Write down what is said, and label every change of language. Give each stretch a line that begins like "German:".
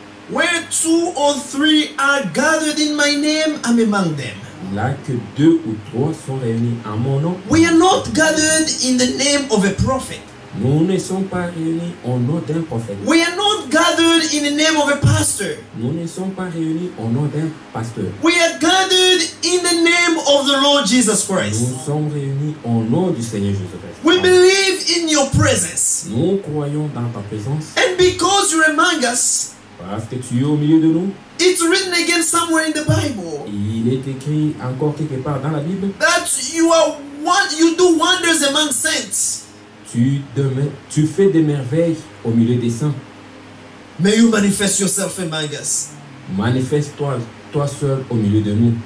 English: where two or three are gathered in my name, I'm among them.
French: Là que deux ou trois sont réunis en mon nom,
English: we are not gathered in the name of a prophet.
French: Nous ne sommes pas réunis au nom d'un prophète.
English: We are not gathered in the name of a pastor.
French: Nous ne sommes pas réunis au nom d'un pasteur.
English: We are gathered in the name of the Lord Jesus Christ.
French: Nous sommes réunis au nom du Seigneur Jésus Christ.
English: We believe in your presence.
French: Nous croyons dans ta présence.
English: And because you're among us,
French: parce que tu es au milieu de nous,
English: it's written again somewhere in the Bible.
French: Il est écrit encore quelque part dans la Bible.
English: That you are one, you do wonders among saints.
French: Tu fais des merveilles au milieu des saints.
English: May you manifest yourself among us.
French: Manifeste-toi toi seul au milieu de nous.